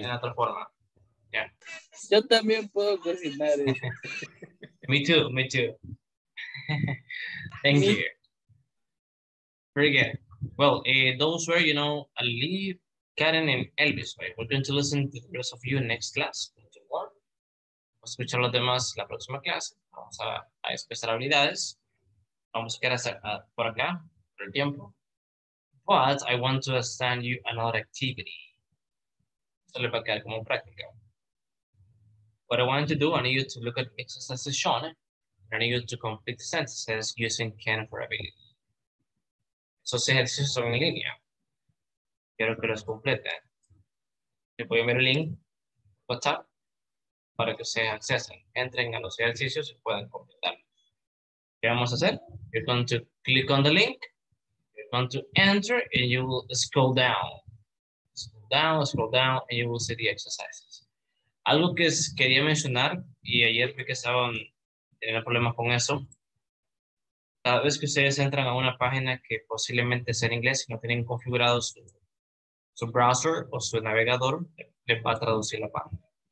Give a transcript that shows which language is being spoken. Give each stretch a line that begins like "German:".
Spanish: En otra forma. Yeah. Yo también puedo cocinar.
English: me too. Thank you. Very good. Well, those were, you know, Ali, Karen, and Elvis, right? We're going to listen to the rest of you next class.
Spanish: Vamos a escuchar a los demás la próxima clase. Vamos a expresar habilidades. Vamos a quedar por acá, por el tiempo.
English: But I want to assign you another activity.
Spanish: Esto le va a quedar como práctica.
English: What I want to do, I need you to look at exercises shown. I need you to complete sentences using can for ability.
Spanish: Esos ejercicios son en línea. Quiero que los completen. Les voy a enviar el link WhatsApp para que ustedes accesen. Entren a los ejercicios y puedan completarlos. ¿Qué vamos a hacer?
English: You're going to click on the link. You're going to enter and you will scroll down. Scroll down, and you will see the exercises.
Spanish: Algo que quería mencionar, y ayer vi que estaban teniendo problemas con eso. Cada vez que ustedes entran a una página que posiblemente sea en inglés y no tienen configurado su browser o su navegador, les va a traducir la página.